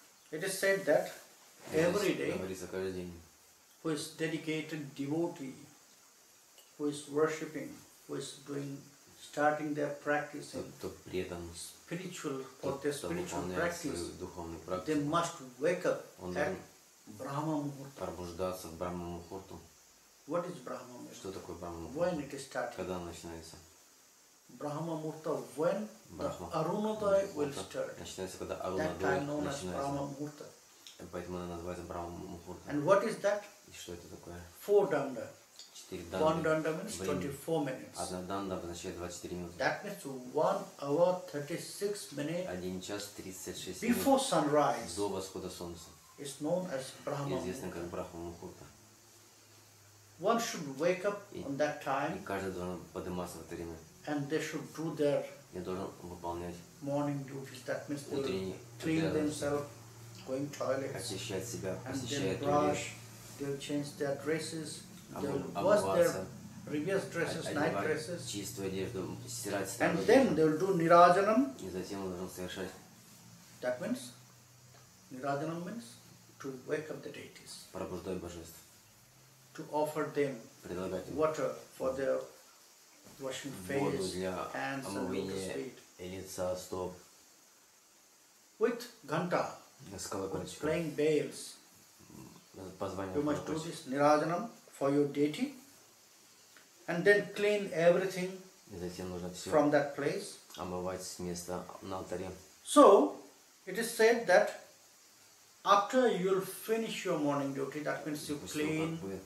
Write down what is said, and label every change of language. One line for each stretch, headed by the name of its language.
English: It is said that every day, who is dedicated devotee, who is worshipping, who is doing, starting their practice in spiritual, for their spiritual practice, they must wake up at Brahma Muhurta.
Russian: Пробуждаться в Брахма Мухурту.
English: What is Brahma Murta?
Russian: Что такое Брахма Мурта?
English: When it is started?
Russian: Когда начинается?
English: Брахма Мурта when the Арунодай will start?
Russian: Начинается когда Арунодай начинается. Брахма Мурта. Поэтому она называется Брахма Мурта.
English: And what is that?
Russian: И что это такое?
English: Four данда.
Russian: Четыре данды.
English: One данда means 24 minutes.
Russian: Одна данда означает 24 минуты.
English: That means 1 hour 36 minutes.
Russian: 1 час 36 минут.
English: Before sunrise.
Russian: До восхода солнца.
English: It's known as Брахма Мурта.
Russian: Известно как Брахма Мурта.
English: One should wake up on that time.
Russian: И каждый должен подниматься в это время.
English: And they should do their.
Russian: Я должен выполнять.
English: Morning duties. That means they train themselves, going to toilets.
Russian: Очищать себя, посещать туалет.
English: And brush. They will change their dresses. Wash their previous dresses, night dresses.
Russian: Чистую одежду, стирать себя.
English: And then they will do nirajanam.
Russian: И затем он должен совершать.
English: That means nirajanam means to wake up the deities.
Russian: Пробуждать божеств.
English: To offer them water for their washing face, hands, and lotus feet.
Russian: Стоп.
English: With ghanta, with playing bells, you must do this nirajanam for your deity, and then clean everything from that place.
Russian: Омывать с места на алтаре.
English: So, it is said that after you'll finish your morning duty, that means you clean.